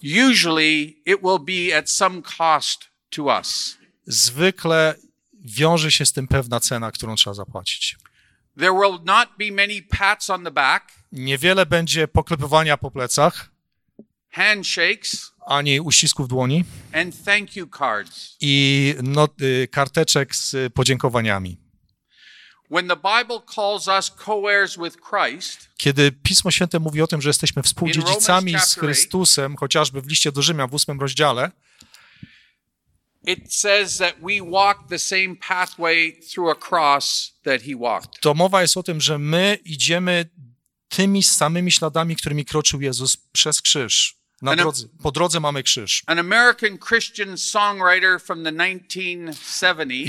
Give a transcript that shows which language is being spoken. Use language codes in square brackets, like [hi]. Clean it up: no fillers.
[en] Usually it will be at some cost to us. [pl] Zwykle wiąże się z tym pewna cena, którą trzeba zapłacić. [en] There will not be many pats on the back. [pl] Niewiele będzie poklepywania po plecach. [en] Handshakes. [pl] Ani uścisków dłoni. [en] And thank you cards. [pl] I karteczek z podziękowaniami. [en] When the Bible calls us co-heirs with Christ, [pl] kiedy Pismo Święte mówi o tym, że jesteśmy współdziedzicami z Chrystusem, chociażby w liście do Rzymian w 8 rozdziale, [en] it says that we walk the same pathway through a cross that he walked. [pl] To mowa jest o tym, że my idziemy tymi samymi śladami, którymi kroczył Jezus przez krzyż. Po drodze mamy krzyż. [en] An American Christian songwriter from the 1970s.